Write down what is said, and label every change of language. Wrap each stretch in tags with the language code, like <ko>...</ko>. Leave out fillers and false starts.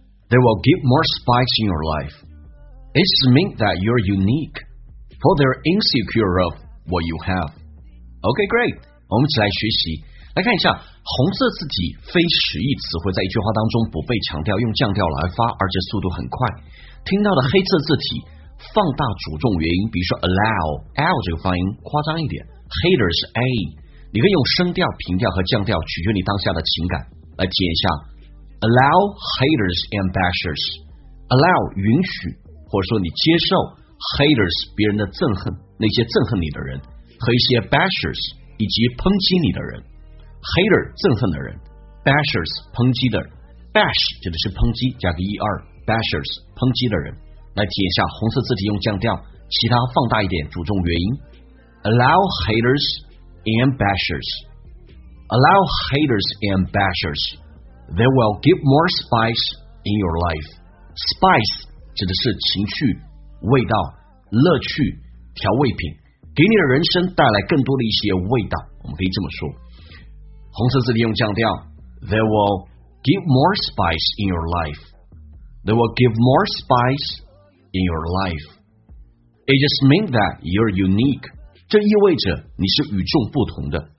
<en>They will give more spikes in your life. It's mean that you're unique, for they're insecure of what you have. Okay, great.</en> <zh>我们一起来学习，来看一下红色字体非实义词汇在一句话当中不被强调，用降调来发，而且速度很快。听到的黑色字体放大主重元音，比如说 allow l 这个发音夸张一点， haters a， 你可以用升调、平调和降调，取决你当下的情感来体验一下。 allow haters and bashers， allow 允许或者说你接受 haters 别人的憎恨，那些憎恨你的人和一些 bashers以及抨击你的人， hater 憎恨的人， bashers 抨击的人， bash 指的是抨击，加个 er， bashers 抨击的人。来体验一下，红色字体用降调，其他放大一点主重元音。</zh> <en>Allow haters and bashers， Allow haters and bashers， They will give more spice in your life.</en> <zh>Spice 指的是情趣、味道、乐趣、调味品，给你的人生带来更多的一些味道，我们可以这么说。</zh> <en>红色字体用降调， They will give more spice in your life. They will give more spice in your life. It just means that you're unique.</en> <zh>这意味着你是与众不同的。</zh>